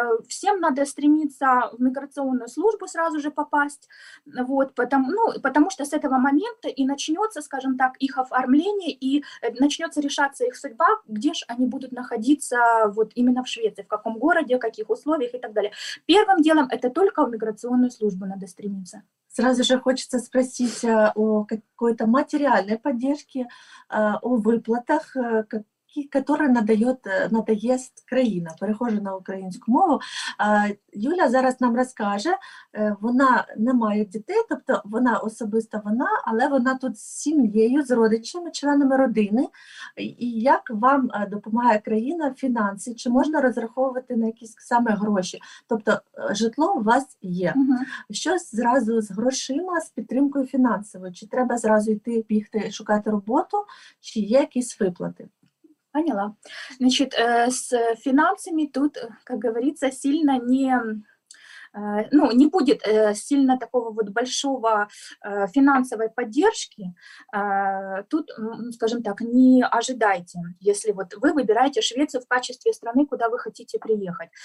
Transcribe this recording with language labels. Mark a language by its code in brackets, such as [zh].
[ru] Всем надо стремиться в миграционную службу сразу же попасть, вот, потому что с этого момента и начнется, скажем так, их оформление, и начнется решаться их судьба, где же они будут находиться вот именно в Швеции, в каком городе, в каких условиях и так далее. Первым делом это только в миграционную службу надо стремиться. Сразу же хочется спросить о какой-то материальной поддержке, о выплатах, которые [uk] надает країна, перехожу на українську мову. Юля зараз нам розкаже, вона не має дітей, тобто вона особисто вона, але вона тут з сім'єю, з родичами, членами родини. І як вам допомагає країна в фінансі, чи можна розраховувати на якісь саме гроші? Тобто житло у вас є. Що зразу з грошима, з підтримкою фінансовою? Чи треба зразу йти бігти шукати роботу, чи є якісь виплати? [ru] Поняла. Значит, с финансами тут, как говорится, сильно не, ну, не будет сильно такого вот большого финансовой поддержки. Тут, скажем так, не ожидайте, если вот вы выбираете Швецию в качестве страны, куда вы хотите приехать.